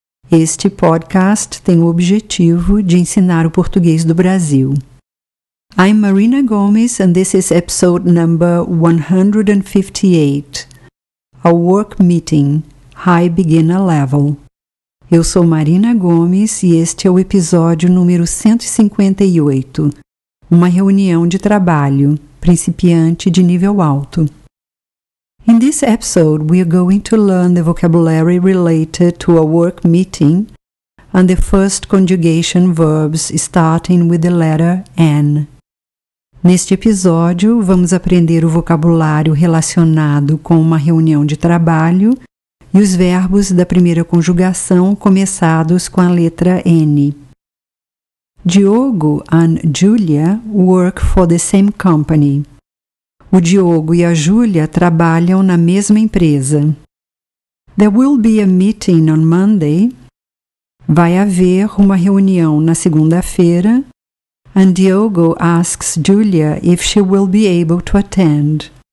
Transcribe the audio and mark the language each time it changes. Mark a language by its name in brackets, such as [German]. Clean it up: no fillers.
[Portuguese] Este podcast tem o objetivo de ensinar o português do Brasil. [English] I'm Marina Gomes and this is episode number 158. A work meeting, high beginner level. [Portuguese] Eu sou Marina Gomes e este é o episódio número 158. Uma reunião de trabalho, principiante de nível alto. [English] In this episode, we are going to learn the vocabulary related to a work meeting and the first conjugation verbs starting with the letter N. [Portuguese] Neste episódio, vamos aprender o vocabulário relacionado com uma reunião de trabalho e os verbos da primeira conjugação começados com a letra N. [English] Diogo and Julia work for the same company. [Portuguese] O Diogo e a Julia trabalham na mesma empresa. [English] There will be a meeting on Monday. [Portuguese] Vai haver uma reunião na segunda-feira. [English] And Diogo asks Julia if she will be able to attend.